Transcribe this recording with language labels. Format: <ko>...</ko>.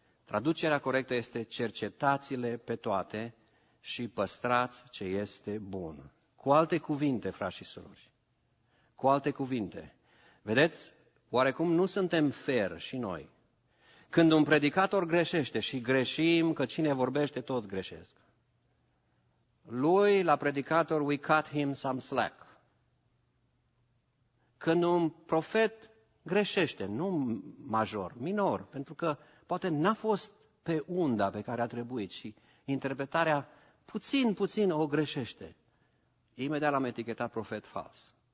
<ro>Traducerea corectă este cercetați-le pe toate și păstrați ce este bun. Cu alte cuvinte, frați și surori. Cu alte cuvinte. Vedeți? Oarecum nu suntem fair și noi. Când un predicator greșește și greșim că cine vorbește, toți greșesc. Lui, la predicator,</ro> <en>we cut him some slack.</en> <ro>Când un profet greșește, nu major, minor, pentru că poate n-a fost pe unda pe care a trebuit și interpretarea puțin o greșește, imediat l-am etichetat profet fals.</ro>